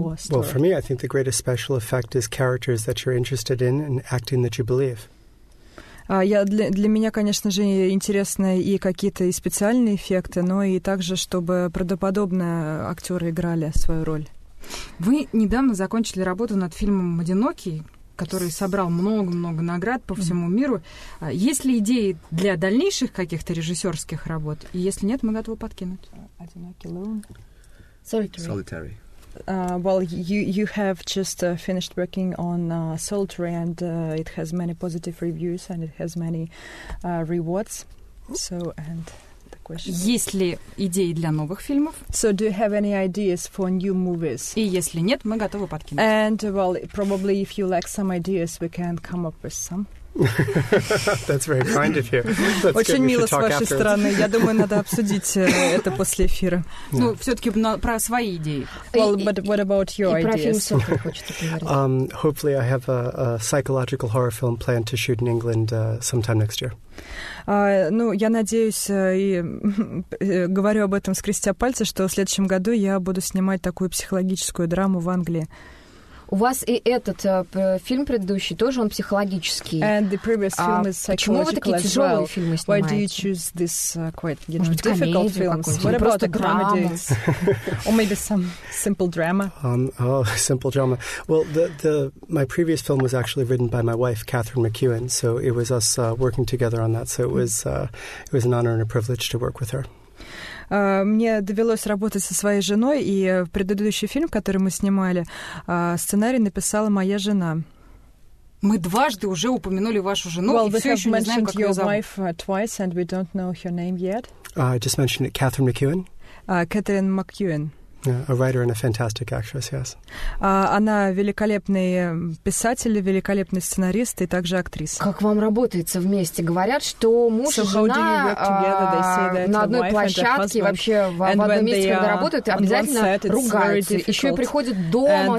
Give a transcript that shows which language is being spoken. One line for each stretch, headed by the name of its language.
English: Well, for me, I think the greatest special effect is characters that you're interested in and acting that you believe.
Russian: Для меня, конечно же, интересны и какие-то и специальные эффекты, но и также, чтобы правдоподобно актеры играли свою роль. Вы недавно закончили работу над фильмом «Одинокий», который собрал много-много наград по всему миру. Есть ли идеи для дальнейших каких-то режиссерских работ? И если нет, мы готовы подкинуть.
English: Solitary. Well, you have just finished working on Solitary, and it has many positive reviews, and it has many rewards. So, and the question.
Russian: Есть ли идеи для новых фильмов?
English: So, do you have any ideas for new movies?
Russian: И если нет, мы готовы подкинуть.
English: And well, probably if you lack some ideas, we can come up with some. That's very kind of you.
Russian: Очень мило с вашей стороны. Я думаю, надо обсудить это после эфира. Ну, все-таки про свои идеи.
English: Well, but what about your ideas? Hopefully, I have a psychological horror film planned to shoot in England sometime next year.
Russian: Ну, я надеюсь, и говорю об этом, скрестя пальцы, что в следующем году я буду снимать такую психологическую драму в Англии. У вас и этот фильм предыдущий тоже он психологический.
English: And the previous film is psychological.
Russian: Почему вы такие тяжелые фильмы снимаете?
English: Why do you choose this quite, you know, difficult films? What about the comedy? Or maybe some simple drama? Simple drama. Well, my previous film was actually written by my wife Catherine McEwen, so it was us working together on that. So it was an honor and a privilege to work with her.
Russian: Мне довелось работать со своей женой, и предыдущий фильм, который мы снимали, сценарий написала моя жена. Мы дважды уже упомянули вашу жену,
English: well,
Russian: и все еще не знаем, как ее зовут.
English: Wife twice, and we don't know her name yet. I just mentioned it, Catherine McEwen. Catherine McEwen. A writer and a fantastic actress, yes.
Russian: Она великолепный писатель, великолепный сценарист и также актриса. Как вам работается вместе? Говорят, что муж и жена на одной площадке, вообще в одном месте, когда работают, обязательно ругаются. Еще и приходят дома,